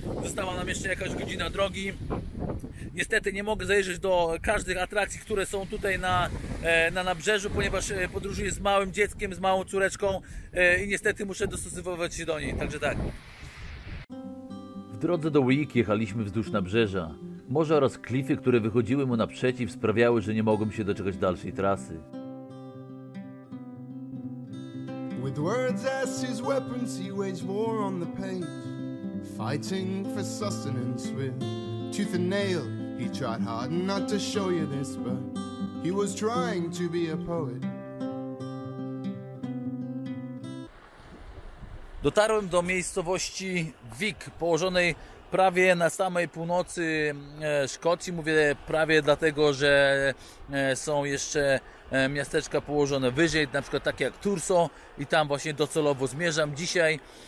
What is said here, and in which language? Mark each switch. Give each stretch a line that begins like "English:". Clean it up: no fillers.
Polish: Została nam jeszcze jakaś godzina drogi. Niestety nie mogę zajrzeć do każdych atrakcji, które są tutaj na nabrzeżu, ponieważ podróżuję z małym dzieckiem, z małą córeczką i niestety muszę dostosowywać się do niej. Także tak. W drodze do Vik jechaliśmy wzdłuż nabrzeża. Morze oraz klify, które wychodziły mu naprzeciw, sprawiały, że nie mogłem się doczekać dalszej trasy.
English: With words as his weapons he waged war on the page, fighting for sustenance with tooth and nail. He tried hard not to show you this, but he was trying to be a poet.
Polish: Dotarłem do miejscowości Vik, położonej prawie na samej północy Szkocji. Mówię prawie dlatego, że są jeszcze miasteczka położone wyżej, na przykład takie jak Turso, i tam właśnie docelowo zmierzam dzisiaj.